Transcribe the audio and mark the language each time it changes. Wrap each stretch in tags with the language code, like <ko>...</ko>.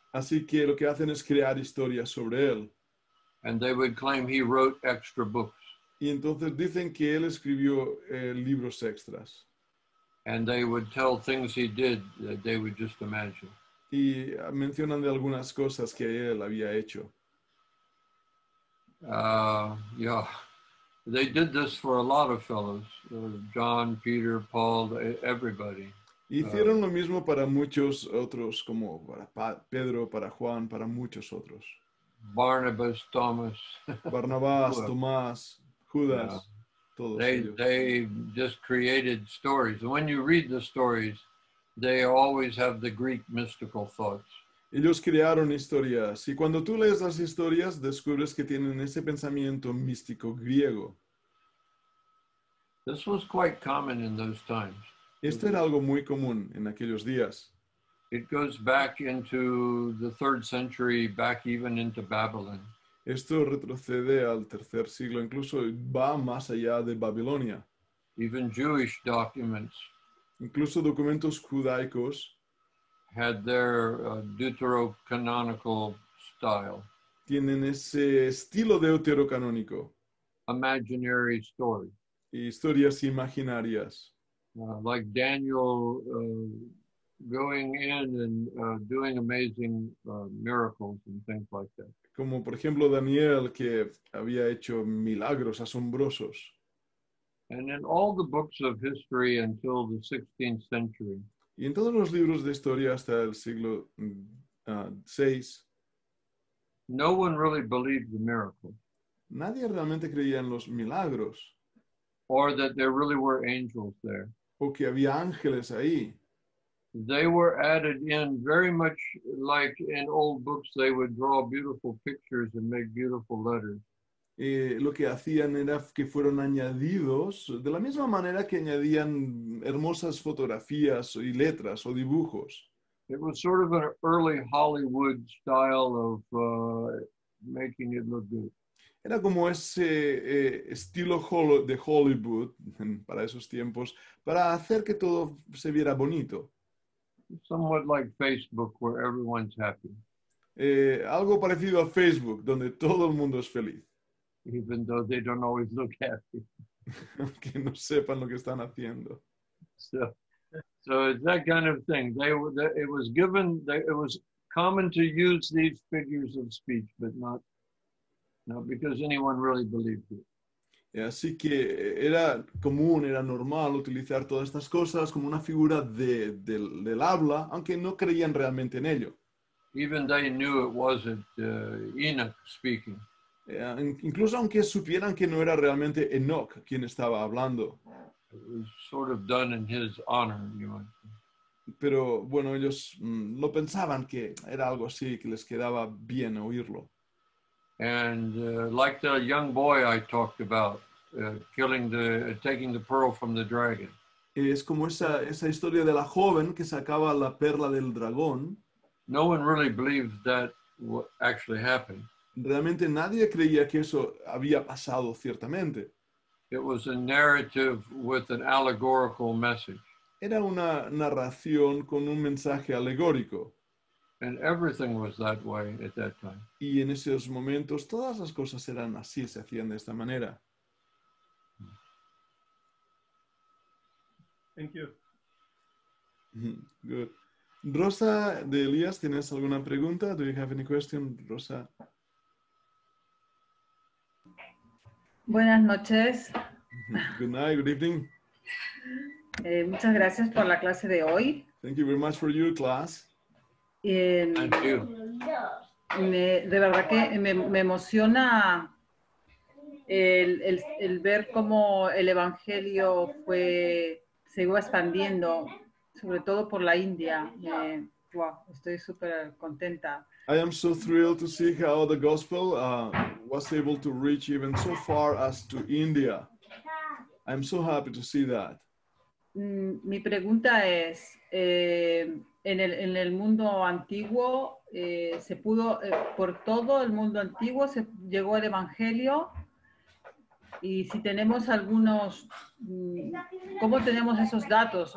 <es>Así que lo que hacen es crear historias sobre él.</es> <en>And they would claim he wrote extra books.</en> <es>Y entonces dicen que él escribió libros extras.</es> <en>And they would tell things he did that they would just imagine.</en> <es>Y mencionan de algunas cosas que él había hecho.</es> <en>Yeah. They did this for a lot of fellows. John, Peter, Paul, everybody.</en> <es>Hicieron lo mismo para muchos otros, como para Pedro, para Juan, para muchos otros.</es> <en>Barnabas, Thomas.</en> <es>Barnabás, Tomás, Judas, yeah. Todos</es> <en>ellos. They just created stories. And when you read the stories, they always have the Greek mystical thoughts.</en> <es>Ellos crearon historias. Y cuando tú lees las historias, descubres que tienen ese pensamiento místico griego.</es> <en>This was quite common in those times.</en> <es>Esto era algo muy común en aquellos días.</es> <en>It goes back into the 3rd century, back even into Babylon.</en> <es>Esto retrocede al 3er siglo, incluso va más allá de Babilonia.</es> <en>Even Jewish documents.</en> <es>Incluso documentos judaicos.</es> <en>Had their deuterocanonical style.</en> <es>Tienen ese estilo deuterocanónico.</es> <en>Imaginary story.</en> <es>Y historias imaginarias.</es> <en>Like Daniel going in and doing amazing miracles and things like that.</en> <es>Como por ejemplo Daniel, que había hecho milagros asombrosos.</es> <en>And in all the books of history until the 16th century.</en> <es>Y en todos los libros de historia hasta el siglo 6.</es> <en>No one really believed the miracle.</en> <es>Nadie realmente creía en los milagros.</es> <en>Or that there really were angels there.</en> <es>O que había ángeles ahí.</es> <en>They were added in very much like in old books. They would draw beautiful pictures and make beautiful letters.</en> <es>Lo que hacían era que fueron añadidos de la misma manera que añadían hermosas fotografías y letras o dibujos.</es> <en>It was sort of an early Hollywood style of making it look good.</en> <es>Era como ese estilo de Hollywood para esos tiempos, para hacer que todo se viera bonito.</es> <en>Somewhat like Facebook, where everyone's happy.</en> <es>Algo parecido a Facebook, donde todo el mundo es feliz.</es> <en>Even though they don't always look happy.</en> <es>Que no sepan lo que están haciendo.</es> <en>So it's that kind of thing. It was common to use these figures of speech, but not because anyone really believed it.</en> <es>Así que era común, era normal utilizar todas estas cosas como una figura del habla, aunque no creían realmente en ello.</es> <en>Even they knew it wasn't Enoch speaking.</en> <es>Incluso aunque supieran que no era realmente Enoch quien estaba hablando.</es> <en>It was sort of done in his honor, you know.</en> <es>Pero bueno, ellos lo pensaban que era algo así, que les quedaba bien oírlo.</es> <en>And like the young boy I talked about, taking the pearl from the dragon.</en> <es>Es como esa historia de la joven que sacaba la perla del dragón.</es> <en>No one really believed that actually happened.</en> <es>Realmente nadie creía que eso había pasado ciertamente.</es> <en>It was a narrative with an allegorical message.</en> <es>Era una narración con un mensaje alegórico.</es> <en>And everything was that way at that time.</en> <es>Y en esos momentos todas las cosas eran así, se hacían de esta manera.</es> <en>Thank you.</en> <es>Good. Rosa de Elías, ¿tienes alguna pregunta?</es> <en>Do you have any question, Rosa?</en> <es>Buenas noches.</es> <en>Good night, good evening.</en> <es>Muchas gracias por la clase de hoy.</es> <en>Thank you very much for your class. Thank you.</en> <es>De verdad que me emociona el ver cómo el evangelio fue siguió expandiendo, sobre todo por la India. Wow, estoy súper contenta.</es> <en>I am so thrilled to see how the gospel was able to reach even so far as to India. I'm so happy to see that.</en> <es>Mi pregunta es, en el mundo antiguo, se pudo, por todo el mundo antiguo, se llegó el evangelio. Y si tenemos algunos, ¿cómo tenemos esos datos?</es>